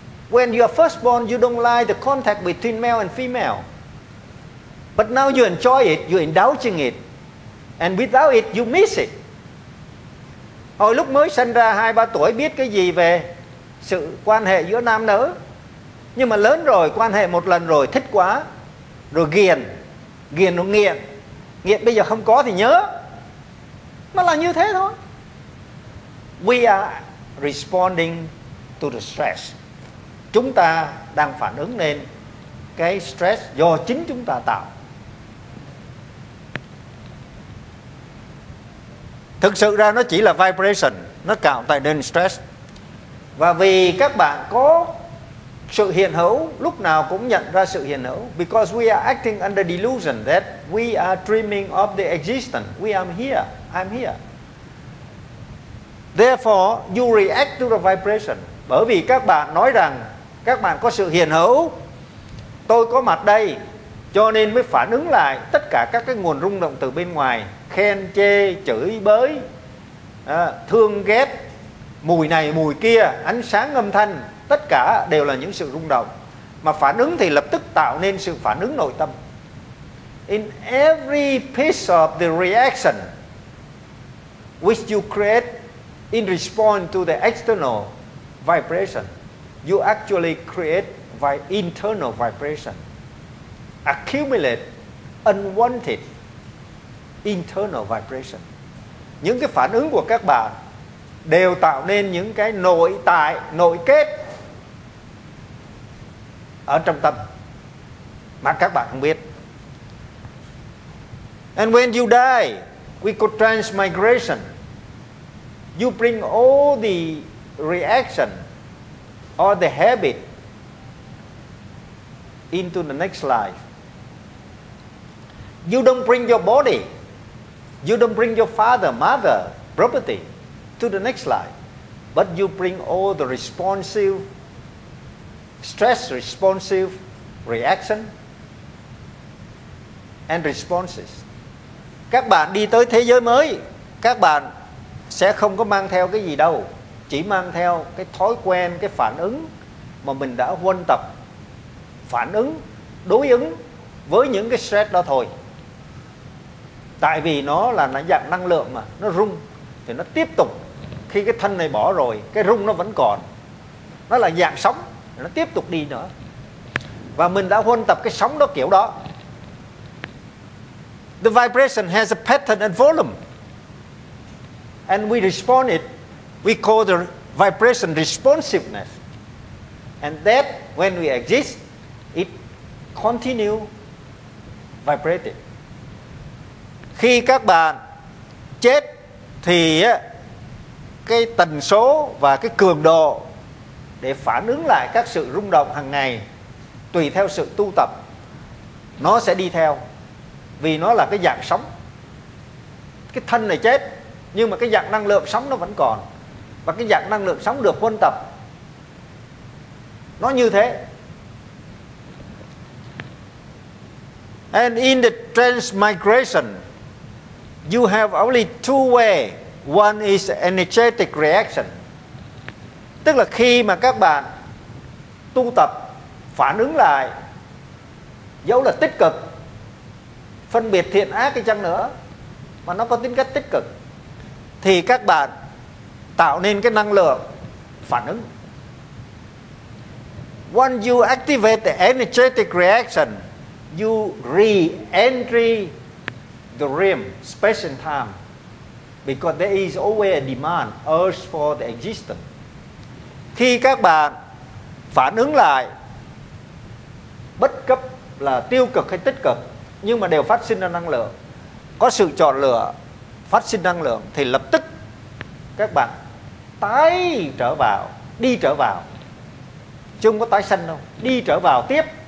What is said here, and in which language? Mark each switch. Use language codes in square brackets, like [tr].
[en] When you are first born, you don't like the contact between male and female. But now you enjoy it, you indulging it. And without it, you miss it. [vi] Hồi lúc mới sinh ra 2-3 tuổi biết cái gì về sự quan hệ giữa nam nữ. Nhưng mà lớn rồi, quan hệ một lần rồi, thích quá. Rồi ghiền, ghiền nó nghiện. Nghiện bây giờ không có thì nhớ. Nó là như thế thôi. [en] We are responding to the stress. [vi] Chúng ta đang phản ứng lên cái stress do chính chúng ta tạo. Thực sự ra nó chỉ là vibration, nó tạo tại nên stress. Và vì các bạn có sự hiện hữu, lúc nào cũng nhận ra sự hiện hữu. [en] Because we are acting under delusion that we are dreaming of the existence. We am here, I'm here. Therefore, you react to the vibration. [vi] Bởi vì các bạn nói rằng các bạn có sự hiện hữu, tôi có mặt đây, cho nên mới phản ứng lại tất cả các cái nguồn rung động từ bên ngoài, khen chê, chửi bới, thương ghét, mùi này mùi kia, ánh sáng âm thanh, tất cả đều là những sự rung động. Mà phản ứng thì lập tức tạo nên sự phản ứng nội tâm. [en] In every piece of the reaction which you create in response to the external vibration, you actually create internal vibration, accumulate unwanted internal vibration. [vi] Những cái phản ứng của các bạn đều tạo nên những cái nội tại, nội kết ở trong tâm mà các bạn không biết. [en] And when you die, we call transmigration. You bring all the reaction or the habit into the next life. You don't bring your body, you don't bring your father, mother, property to the next life, but you bring all the responsive, stress responsive reaction and responses. [vi] Các bạn đi tới thế giới mới, các bạn sẽ không có mang theo cái gì đâu. Chỉ mang theo cái thói quen, cái phản ứng mà mình đã huân tập, phản ứng, đối ứng với những cái stress đó thôi. Tại vì nó là nó dạng năng lượng mà, nó rung, thì nó tiếp tục. Khi cái thân này bỏ rồi, cái rung nó vẫn còn. Nó là dạng sóng, nó tiếp tục đi nữa. Và mình đã huân tập cái sóng đó kiểu đó. [en] The vibration has a pattern and volume. And we respond it. We call the vibration responsiveness. And that when we exist, it continue vibrating. [vi] Khi các bạn chết thì cái tần số và cái cường độ để phản ứng lại các sự rung động hàng ngày tùy theo sự tu tập nó sẽ đi theo, vì nó là cái dạng sống. Cái thân này chết nhưng mà cái dạng năng lượng sống nó vẫn còn, và cái dạng năng lượng sống được huân tập nó như thế. [en] And in the transmigration you have only two way. One is energetic reaction. [vi] Tức là khi mà các bạn tu tập phản ứng lại, dẫu là tích cực, phân biệt thiện ác hay chăng nữa mà nó có tính cách tích cực, thì các bạn tạo nên cái năng lượng phản ứng. [en] When you activate the energetic reaction, you re-entry the realm, space and time, because there is always a demand, urge for the existence. [vi] Khi các bạn phản ứng lại, bất cấp là tiêu cực hay tích cực, nhưng mà đều phát sinh ra năng lượng, có sự chọn lựa phát sinh năng lượng, thì lập tức các bạn tái trở vào, đi trở vào, chứ không có tái sanh đâu, đi trở vào tiếp.